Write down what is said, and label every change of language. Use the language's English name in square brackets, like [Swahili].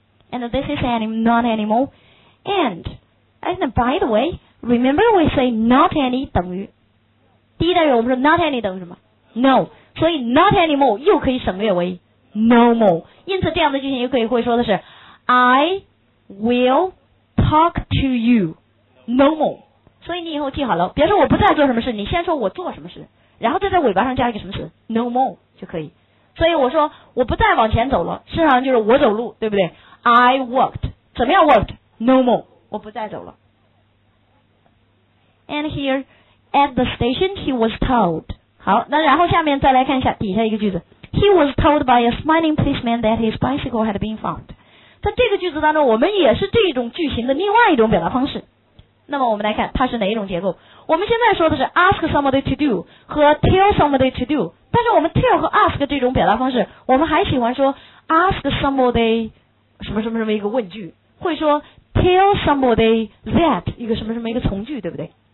[English] And this is not anymore. And by the way, remember we say not any 等于， [Chinese] 第一单元我们说 [English] not any 等于什么？ No。 [Chinese] 所以 not anymore 又可以省略为 no more。因此这样的句型又可以会说的是 [English] I will talk to you no more。 [Chinese] 所以你以后记好了，别说我不再做什么事，你先说我做什么事，然后再在尾巴上加一个什么词 no more 就可以。所以我说我不再往前走了，事实上就是我走路，对不对？ [English] I walked， [Chinese] 怎么样 [English] walked？ No more， [Chinese] 我不再走了。 [English] And here at the station he was told。 [Chinese] 好，那然后下面再来看一下底下一个句子， [English] He was told by a smiling policeman that his bicycle had been found。 [Chinese] 在这个句子当中我们也是这种句型的另外一种表达方式，那么我们来看它是哪一种结构。我们现在说的是 ask somebody to do 和 tell somebody to do， 但是我们 tell 和 ask 这种表达方式，我们还喜欢说 ask somebody 什么什么什么一个问句，会说 tell somebody that 一个什么什么一个从句，对不对？